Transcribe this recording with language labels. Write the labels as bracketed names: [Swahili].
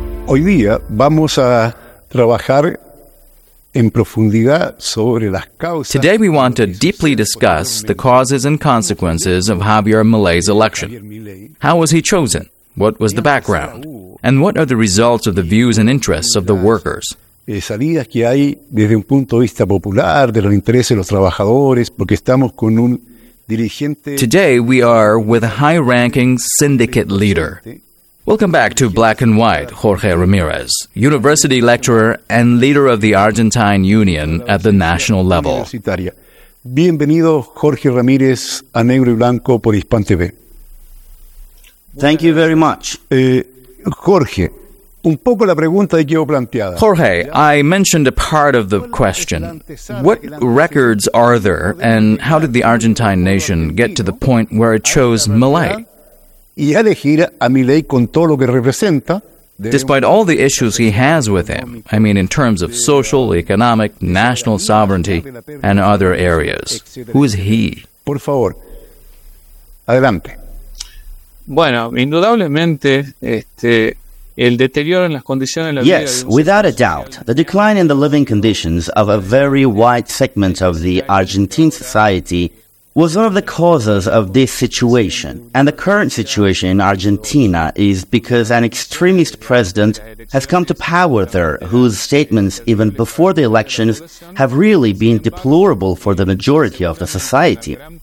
[Spanish] Hoy día vamos a trabajar en profundidad sobre las causas. [English] Today we want to deeply discuss the causes and consequences of Javier Milei's election. How was he chosen? What was the background? And what are the results of the views and interests of the workers? [Spanish] Salidas que hay desde un punto de vista popular de los intereses de los trabajadores, porque estamos con un dirigente. [English] Today we are with a high-ranking syndicate leader. Welcome back to Black and White, Jorge Ramirez, university lecturer and leader of the Argentine Union at the national level. [Spanish] Bienvenido, Jorge Ramirez, a Negro y Blanco por Hispan TV. [English] Thank you very much. [Spanish] Jorge, un poco la pregunta que yo planteaba. [English] Jorge, I mentioned a part of the question. What records are there, and how did the Argentine nation get to the point where it chose Milei? Despite all the issues he has with him, I mean in terms of social, economic, national sovereignty, and other areas, who is he? [Spanish] Por favor, adelante. Bueno, indudablemente, el deterioro en las condiciones de la vida. [English] Yes, without a doubt, the decline in the living conditions of a very wide segment of the Argentine society was one of the causes of this situation. And the current situation in Argentina is because an extremist president has come to power there, whose statements, even before the elections, have really been deplorable for the majority of the society.